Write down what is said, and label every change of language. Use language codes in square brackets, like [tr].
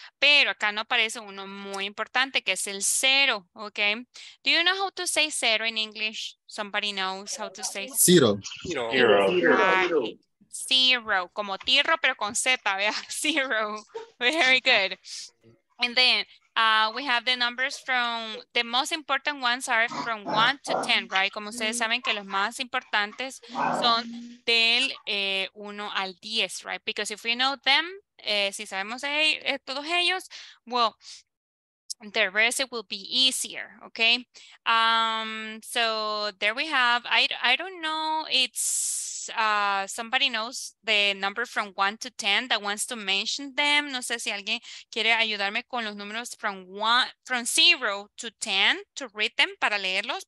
[es] Pero acá no aparece uno muy importante, que es el cero, okay? [en] Do you know how to say cero in English? Somebody knows how to say zero. Zero. [es] Zero. Como tierra, pero con Z, ¿vea? Zero. [en] Very good. And then we have the numbers from, the most important ones are from 1 to 10, right? [es] Como ustedes saben que los más importantes son del 1 al 10, right? [en] Because if we know them, [es] si sabemos todos ellos, [en] well, the rest it will be easier, okay? So there we have, I don't know, it's, somebody knows the number from 1 to 10 that wants to mention them. [es] No sé si alguien quiere ayudarme con los números [en] from 1, from 0 to 10 to read them [es] para leerlos.